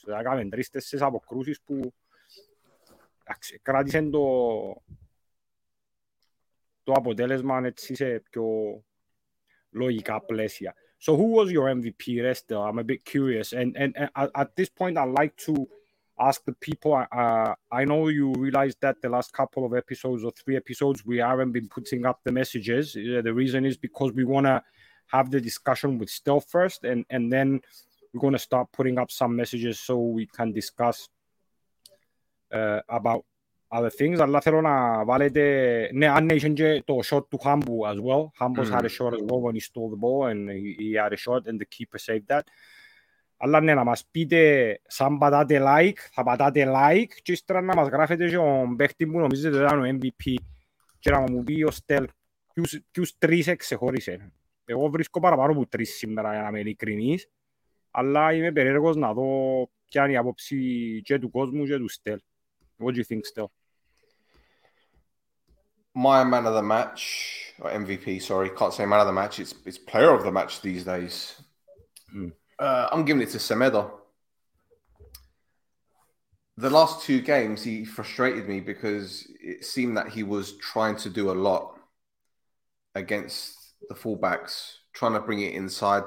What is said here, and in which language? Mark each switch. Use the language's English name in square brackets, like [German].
[Greek] Θα έκαμε τρεις, τέσσερις αποκρούσεις που κράτησε το αποτέλεσμα έτσι σε πιο λογικά πλαίσια. [English] So who was your MVP, Resto? I'm a bit curious. And at this point, I'd like to ask the people. I know you realized that the last couple of episodes or 3 episodes, we haven't been putting up the messages. The reason is because we want to have the discussion with Stealth first, and then we're going to start putting up some messages so we can discuss about other things. [Greek] Αλλά θέλω να βάλετε, ναι, αν έχει και το shot του Χάμπου [English] as well. Χάμπος had a shot as well when he stole the ball and he had a shot and the keeper saved that. [Greek] Αλλά ναι, να μας πείτε, σαν πατάτε like, θα πατάτε like και ύστερα να μας γράφετε και τον παίχτη που νομίζετε ήταν ο MVP και να μου πει ο Στέλ ποιους τρεις εξεχώρισε. Εγώ βρίσκω παραπάνω από τρεις σήμερα για να είμαι ειλικρινής. αλλά είμαι περίεργος να δω ποια είναι η άποψη και του κόσμου και του Στέλ. [English] What do you think, Στέλ? My man of the match, or MVP, sorry, can't say man of the match, it's player of the match these days. I'm giving it to Semedo. The last two games, he frustrated me because it seemed that he was trying to do a lot against the fullbacks, trying to bring it inside.